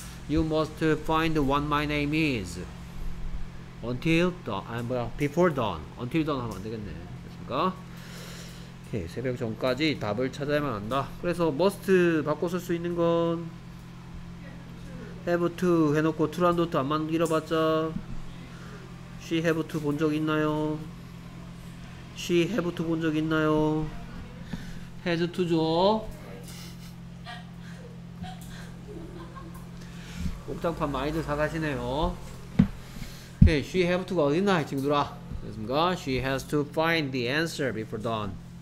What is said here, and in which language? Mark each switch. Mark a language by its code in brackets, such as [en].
[en] You must find what my name is until dawn. [ko] 뭐야? [en] Before dawn. Until dawn [ko] 하면 안 되겠네. 됐습니까? 오케이, 새벽 전까지 답을 찾아야만 한다. 그래서 must 바꿔 쓸 수 있는 건 have to 해놓고 to란 도트 안 만들어봤자 [en] she have to [ko] 본 적 있나요? [en] she have to [ko] 본 적 있나요? [en] has to죠. [ko] 옥장판 많이들 사가시네요. 오케이, [en] she have to [ko] 가 어딨나 이 친구들아. 됐습니까? [en] she has to find the answer before dawn.